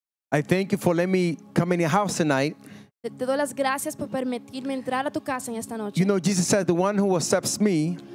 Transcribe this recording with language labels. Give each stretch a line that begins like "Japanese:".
English: I thank you for letting me come in your house tonight.
Spanish: Te doy las gracias por permitirme entrar a tu casa en esta noche.
English: You know, Jesus said, "The one who accepts me."